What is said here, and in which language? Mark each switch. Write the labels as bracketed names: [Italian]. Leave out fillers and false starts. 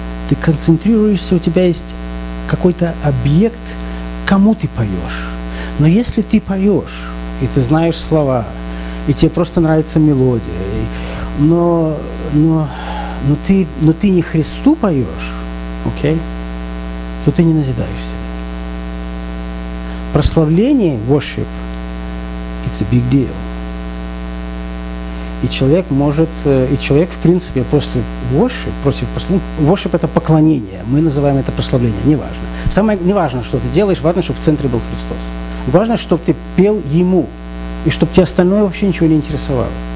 [Russian] Ты концентрируешься, у тебя есть какой-то объект, кому ты поешь. Но если ты поешь, и ты знаешь слова, и тебе просто нравится мелодия, но ты не Христу поешь, окей, то ты не назидаешься. Прославление, [English] worship, it's a big deal. [Russian] И человек, в принципе, после worship, против прославления, worship – это поклонение. Мы называем это прославление, неважно. Самое неважно, что ты делаешь, важно, чтобы в центре был Христос. Важно, чтобы ты пел Ему, и чтобы тебя остальное вообще ничего не интересовало.